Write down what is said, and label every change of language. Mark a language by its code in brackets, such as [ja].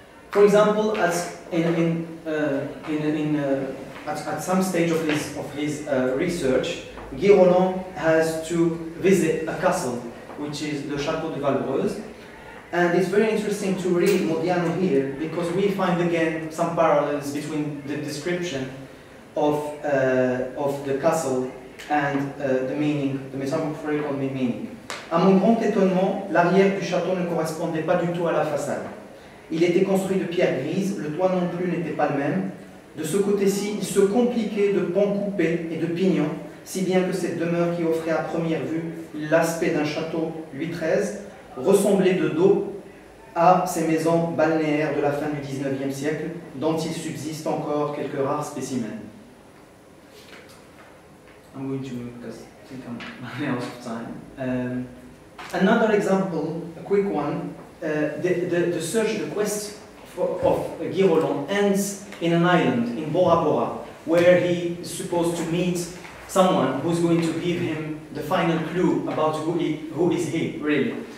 [en] For example, at some stage of his research, Guy Roland has to visit a castle, which is the Château de Valbreuse. And it's very interesting to read Modiano here, because we find again some parallels between the description of the castle and the meaning, the metaphorical meaning. [fr] À mon grand étonnement, l'arrière du château ne correspondait pas du tout à la façade. Il était construit de pierre grise, le toit non plus n'était pas le même. De ce côté-ci, il se compliquait de pans coupés et de pignons, si bien que cette demeure qui offrait à première vue l'aspect d'un château Louis XIII ressemblait de dos à ces maisons balnéaires de la fin du XIXe siècle, dont il subsiste encore quelques rares spécimens. [en] I'm going to move because I think I'm running out of time. Another example, a quick one, the search, the quest of Guy Roland ends in an island, in Bora Bora, where he is supposed to meet someone who's going to give him the final clue about who is he, really.